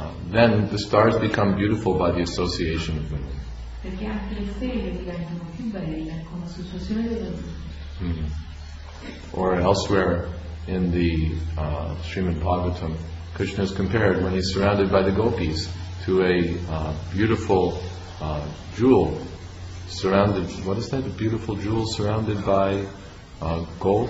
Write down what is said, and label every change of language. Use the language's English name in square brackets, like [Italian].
[English] Then the stars become beautiful by the association of the moon. [Italian] Perché anche le stelle diventano più belle con l'associazione della luna. [English] Or elsewhere in the Srimad Bhagavatam, Krishna is compared when he's surrounded by the gopis to a beautiful jewel surrounded. What is that? A beautiful jewel surrounded by gold?